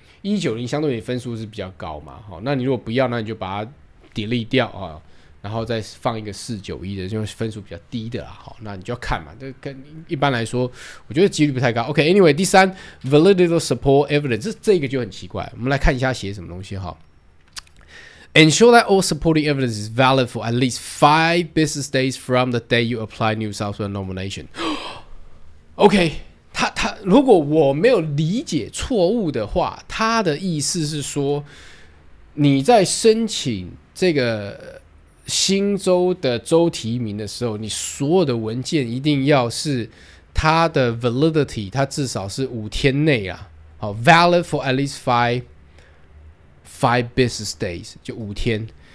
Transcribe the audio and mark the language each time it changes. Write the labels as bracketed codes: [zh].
[zh] 190相对于分数是比较高嘛，好，那你如果不要，那你就把它 delete 掉、哦、然后再放一个491的，就是分数比较低的啦，好，那你就要看嘛，这跟一般来说，我觉得几率不太高。 OK，Anyway，第三 ， [en] validity support evidence， [zh] 这个就很奇怪，我们来看一下写什么东西哈。 [en] Ensure that all supporting evidence is valid for at least 5 business days from the day you apply New South Wales nomination. OK。 [zh] 他如果我没有理解错误的话，他的意思是说，你在申请这个新州的州提名的时候，你所有的文件一定要是他的 validity， 他至少是五天内啊，好 ， [en] valid for at least five business days， [zh] 就五天。